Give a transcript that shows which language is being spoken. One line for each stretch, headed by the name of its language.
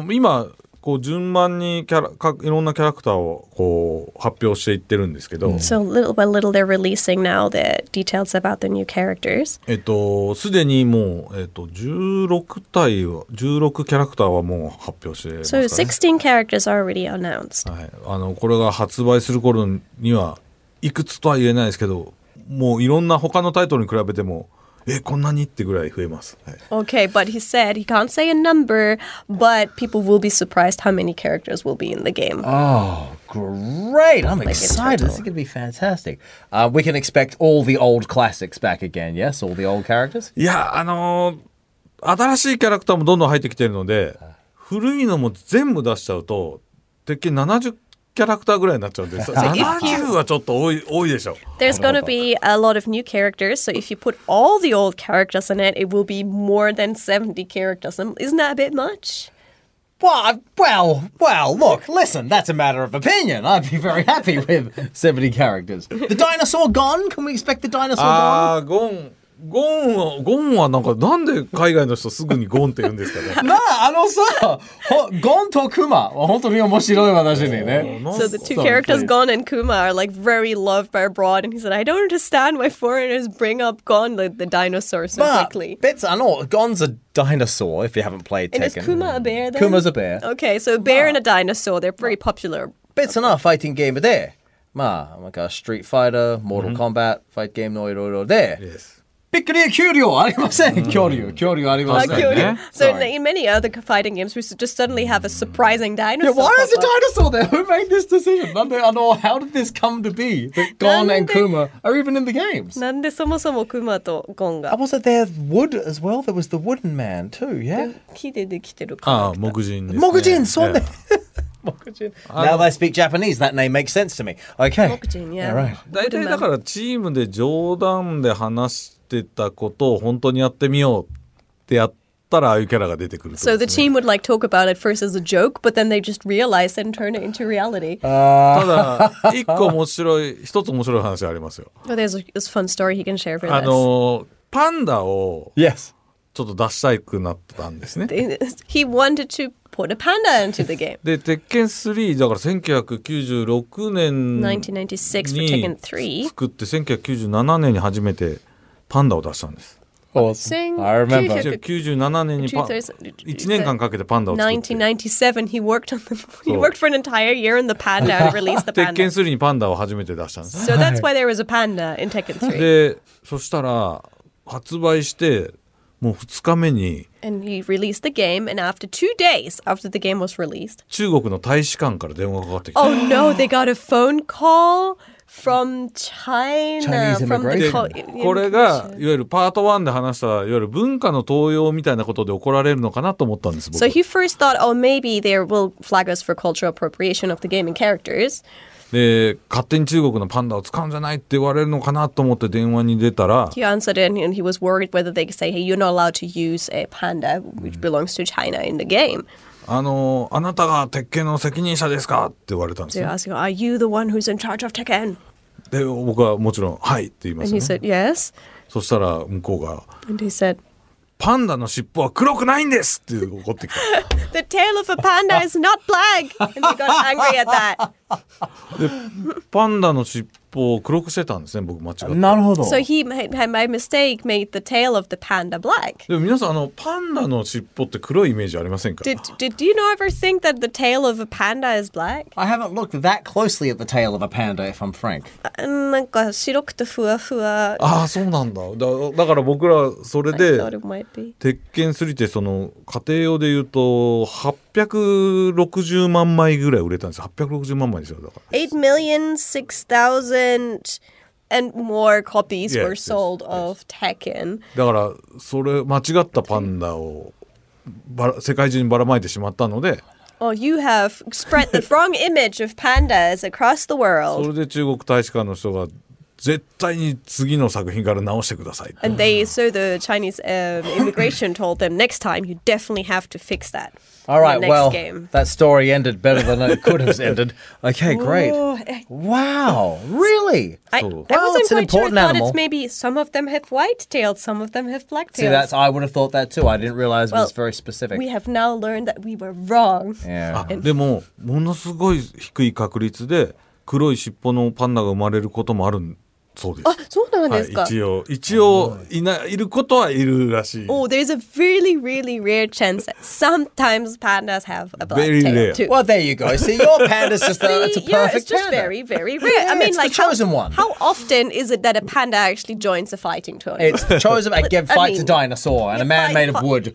Japanese: 今こう順番にいろんなキャラクターをこう発表していってるんですけど。
English: So little by little they're releasing now the details about the new characters.
Japanese: すでにもう16キャラクターはもう発表してますかね。
English: So 16 characters are already announced.
Japanese: はい。これが発売する頃にはいくつとは言えないですけど、もういろんな他のタイトルに比べても。こんなにってぐらい増えます。
English: Okay, but he said he can't say a number, but people will be surprised how many characters will be in the game. Oh, great! I'm excited. This is going to be fantastic. We can expect all the old classics back again, yes? All the old characters?
Japanese: いや、新しいキャラクターもどんどん入ってきてるので、古いのも全部出しちゃうと、鉄拳70キャラクターぐらいになっちゃうんです。 70はちょっと多いでしょう。
English: There's going to be a lot of new characters. So if you put all the old characters in it, it will be more than 70 characters. Isn't that a bit much? Well, look, listen, that's a matter of opinion. I'd be very happy with 70 characters. The dinosaur gone? Can we expect the dinosaur gone?
Japanese: ゴンはなんかなんで海外の人すぐにゴンって言うんですかね。なあ、さ、ゴンとクマ、本当に面白い話にね。
English: So the two characters ゴン and Kuma are like very loved by abroad, and he said, I don't understand why foreigners bring up ゴン, like the dinosaur, so quickly. But ゴン's a dinosaur. If you haven't played Tekken, and is Kuma a bear? Then? Kuma's a bear. Okay, so a bear and a dinosaur, they're very popular. But it's not a fighting game, but there. I'm like a Street Fighter, Mortal Kombat fight game, no, there. Yes.
Japanese: びっくり恐竜ありません。恐竜ありません。
English: So in many other fighting games, we just suddenly have a surprising dinosaur. Yeah, why is a dinosaur there? Who made this decision?
Japanese: なんで、
English: how did this come to be that Gon and Kuma are even in the games?
Japanese: なんでそもそもクマとゴンが。
English: Was it there wood as well? There was the wooden man too, yeah?
Japanese: 木でできてる。ああ、木人ですね。木人、そうね。
English: Now they speak Japanese, that name makes sense to me. Okay.
Japanese: 木人、yeah. だいたいだからチームで冗談で話して、ってたことを本当にやってみようってやったらああいうキャラが出てくるとですね。
English: So the team would like talk about it first as a joke, but then they just realize and turn it into reality.
Japanese: ただ一個面白い一つ面白い話ありますよ。
English: Oh, there's a fun story he can share for this.
Japanese: パンダを、
English: yes.
Japanese: ちょっと出したいくなったんですね。
English: He wanted to put a panda into the game.
Japanese: で、鉄拳3だから1996年に1996 作って1997年に初めてパンダを出したんです。
English: Awesome. I remember.
Japanese: 97年に1年間かけてパンダを作って。
English: 1997, he worked for an entire year in the panda and released the panda.
Japanese: 鉄拳3にパンダを初めて出したんです。
English: So that's why there was a panda in Tekken 3.
Japanese: で、そしたら発売してもう2日目に。
English: And he released the game, and after 2 days after the game was released.
Japanese: 中国の大使館から電話がかかってきた。
English: Oh no, they got a phone call. From China, from the
Japanese: これがいわゆるパート1で話したいわゆる文化の盗用みたいなことで怒られるのかなと思ったんです。
English: So he first thought, oh, maybe they will flag us for cultural appropriation of the game and characters.
Japanese: で、勝手に中国のパンダを使うんじゃないって言われるのかなと思って電話に出たら、
English: He answered it and he was worried whether they could say, hey, you're not allowed to use a panda which belongs to China in the game.
Japanese: あなたが鉄拳の責任者ですかって言われたんですよ。
English: So、Are you the one who's in charge of Tekken?
Japanese: で、僕はもちろんはいって言いますね。
English: And he said, yes.
Japanese: そしたら向こうが
English: And he said,
Japanese: パンダの尻尾は黒くないんですって怒ってきた。
English: The tail of a panda is not black! And they got angry at that.
Japanese: で、パンダの尻尾を黒くしてたんですね、僕間違って。なるほど。
English: So he made my mistake, made the tail of the panda black.
Japanese: でも皆さん、あのパンダの尻尾って黒いイメージありませんか？
English: Did you ever think that the tail of a panda is black? I haven't looked that closely at the tail of a panda, if I'm frank.
Japanese: なんか白くてふわふわ。ああ、そうなんだ。だから僕らそれで鉄拳3ってその家庭用で言うと860万枚ぐらい売れたんです。 860万枚ですよ。だから
English: 8,600,000 and more copies were sold of Tekken.
Japanese: だからそれ間違ったパンダを世界中にばらまいてしまったので。
English: Oh, you have spread the wrong image of pandas across the world.
Japanese: それで中国大使館の人が絶対に次の作品から直してください。
English: And they, so the Chinese immigration told them, next time you definitely have to fix that. All right, well, that story ended better than it could have ended. Okay, great. Wow, really? It's an important animal. I thought it's maybe some of them have white tails, some of them have black tails. See, that's, I would have thought that too. I didn't realize it was very specific. We have now learned that we were wrong. Yeah.
Japanese: でも、ものすごい低い確率で黒い尻尾のパンダが生まれることもあるそうです。あ、そうなんですか。はい、一応いることはいるらしい。
English: Oh, there's a really, really rare chance that sometimes pandas have a black tail too. Well, there you go. See, your panda's just See, it's a perfect panda. It's just panda. Very, very rare. Yeah, I mean, it's like, the chosen one. How often is it that a panda actually joins a fighting tournament? It's the chosen one. It fights a dinosaur and a man made of wood.